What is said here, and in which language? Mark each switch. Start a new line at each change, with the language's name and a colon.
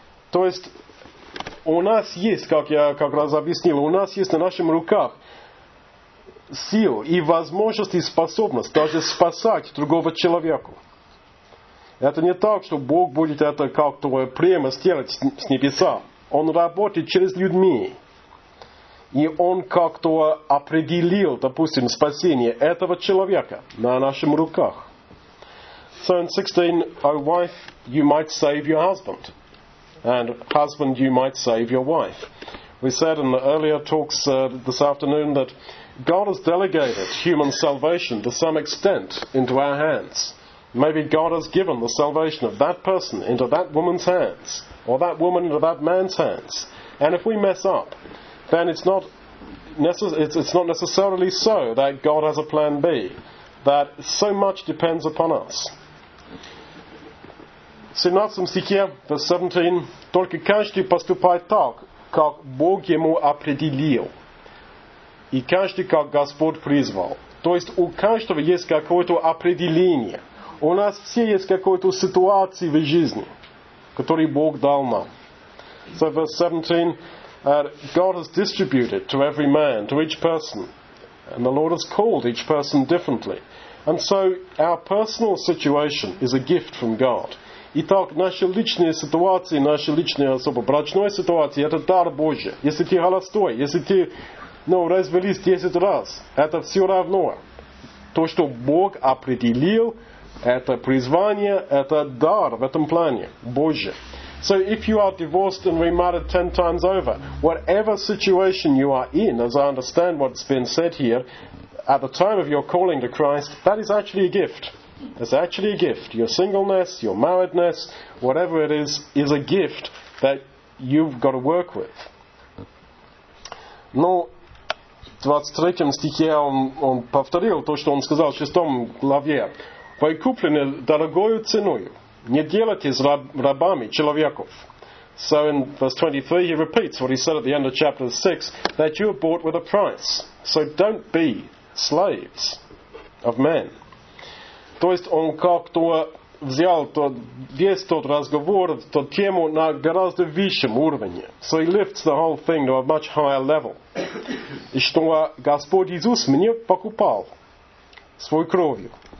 Russian: То есть, у нас есть, как я как раз объяснил, у нас есть на наших руках сил и возможность и способность даже спасать другого человека. Это не так, что Бог будет это как-то прямо сделать с небеса. Он работает через людьми. И Он как-то определил, допустим, спасение этого человека на наших руках.
English: So in 16, O wife, you might save your husband. And husband, you might save your wife. We said in the earlier talks this afternoon that God has delegated human salvation to some extent into our hands. Maybe God has given the salvation of that person into that woman's hands, or that woman into that man's hands. And if we mess up, then it's not necessarily so that God has a plan B, that so much depends upon us.
Russian: 17 стихе,
English: verse 17,
Russian: только каждый поступает так, как Бог ему определил, и каждый, как Господь призвал. То есть у каждого есть какое-то определение. У нас все есть какая-то ситуация в жизни, которую Бог дал нам.
English: So verse 17, God has distributed to every man, to each person, and the Lord has called each person differently. And so our personal situation is a gift from God.
Russian: Итак, наша личная ситуация, наша личная особо брачная ситуация – это дар Божий. Если ты холостой, если ты, ну, развелись 10 раз, это все равно. То, что Бог определил, это призвание, это дар в этом плане Божий.
English: So if you are divorced and remarried 10 times over, whatever situation you are in, as I understand what's been said here, at the time of your calling to Christ, that is actually a gift. It's actually a gift. Your singleness, your marriedness, whatever it is a gift that you've got to work with.
Russian: Но в 23 стихе он повторил то, что он сказал в 6 главе. Вы куплены дорогою ценою, не делайтесь рабами человеков.
English: So in verse 23 he repeats what he said at the end of chapter 6, that you are bought with a price. So don't be slaves of men.
Russian: То есть он как-то взял весь тот разговор, ту тему на гораздо высшем уровне.
English: So he lifts the whole thing to a much higher level.
Russian: И что Господь Иисус мне покупал свою кровью.